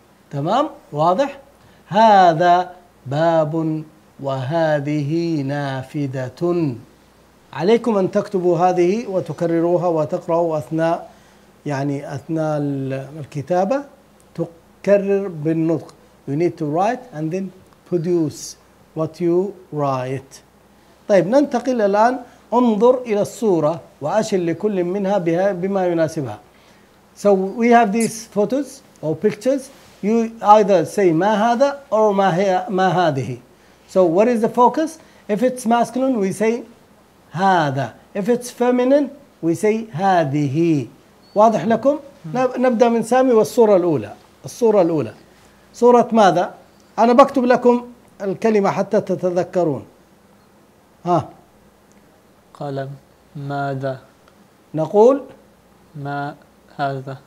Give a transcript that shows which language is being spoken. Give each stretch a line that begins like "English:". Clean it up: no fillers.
Arabic: تمام؟ واضح؟ هذا باب وهذه نافذة. عليكم أن تكتبوا هذه وتكرروها وتقرأوا أثناء يعني أثناء الكتابة. تكرر بالنطق.
English: You need to write and then produce what you write.
Arabic: طيب ننتقل الآن. انظر إلى الصورة وأشل لكل منها بما يناسبها.
English: So we have these photos or pictures. You either say
Arabic: ما هذا
English: or
Arabic: ما هي ما هذه.
English: So what is the focus? If it's masculine, we say هذا. If it's feminine, we say هذه.
Arabic: واضح لكم؟ نبدأ من سامي والصورة الأولى. الصورة الأولى. صورة ماذا؟ أنا بكتب لكم الكلمة حتى تتذكرون. ها. قلم. ماذا؟ نقول ما هذا.